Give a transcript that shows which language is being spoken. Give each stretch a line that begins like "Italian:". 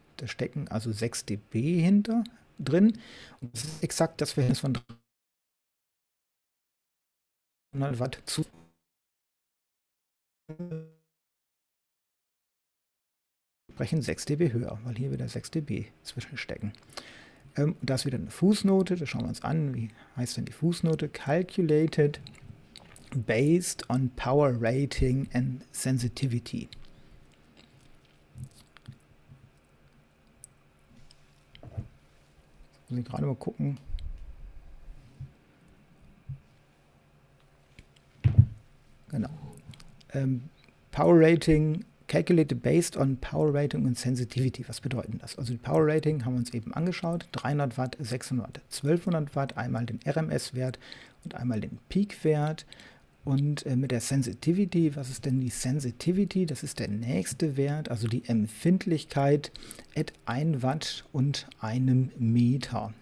German: Da stecken also 6 dB hinter drin. Und das ist exakt das Verhältnis von 100 Watt zu. Sprechen 6 dB höher, weil hier wieder 6 dB zwischenstecken. Das ist wieder eine Fußnote, da schauen wir uns an, wie heißt denn die Fußnote?
English: Calculated based on power rating and sensitivity.
German: Muss ich gerade mal gucken. Genau.
English: Power Rating, calculated based on Power Rating und Sensitivity.
German: Was bedeutet das? Also, die Power Rating haben wir uns eben angeschaut: 300 Watt, 600 Watt, 1200 Watt, einmal den RMS-Wert und einmal den Peak-Wert. Und mit der Sensitivity, was ist denn die Sensitivity? Das ist der nächste Wert, also die Empfindlichkeit
English: at 1 Watt
German: und einem Meter.